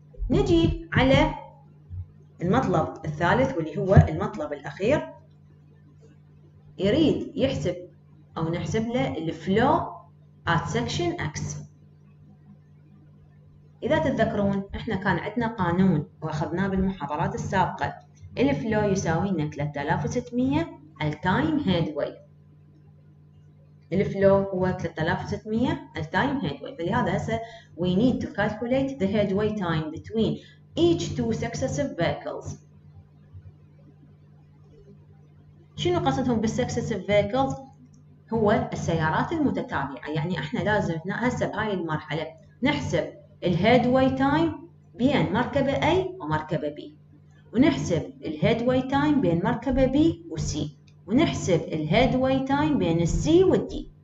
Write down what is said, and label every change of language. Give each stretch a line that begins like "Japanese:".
Arabic: نجي على المطلب الثالث واللي هو المطلب الأخير، يريد يحسب أو نحسب له الفلو at section X. إذا تتذكرون إحنا كان عندنا قانون وأخذناه بالمحاضرات السابقة، الفلو يساوي لنا 3600 التايم هيدوي. الفلو هو 3600 التايم هيدوي، فلهذا هسه
English: we need to calculate the headway time between each two successive vehicles.
Arabic: شنو قصدهم بالsuccessive vehicles؟ هو السيارات المتتابعة. يعني إحنا لازم هسه بهاي المرحلة نحسب الهيدواي تايم بين مركبة A ومركبة B، ونحسب الهيدواي تايم بين مركبة B وC، ونحسب الهيدواي تايم بين C والD.